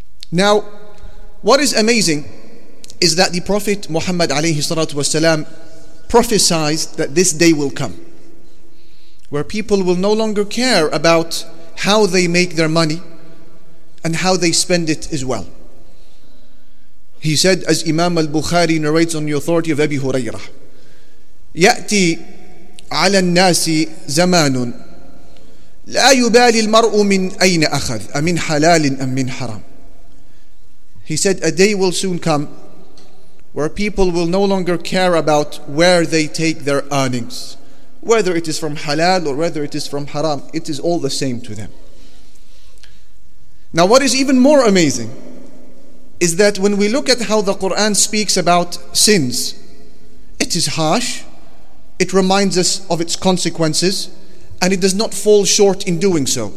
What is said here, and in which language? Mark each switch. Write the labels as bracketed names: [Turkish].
[English] Now, what is amazing is that the Prophet Muhammad alayhi salatu wasalam prophesied that this day will come, where people will no longer care about how they make their money and how they spend it as well. He said, as Imam al-Bukhari narrates on the authority of Abi Hurairah, [Arabic] يَأْتِي عَلَى النَّاسِ زَمَانٌ لَا يُبَالِ الْمَرْءُ مِنْ أَيْنَ أَخَذْ أَمِنْ حَلَالٍ أَمْ مِنْ حَرَامٍ. [English] He said, a day will soon come where people will no longer care about where they take their earnings, whether it is from halal or whether it is from haram, it is all the same to them. Now, what is even more amazing is that when we look at how the Quran speaks about sins, it is harsh, it reminds us of its consequences, and it does not fall short in doing so.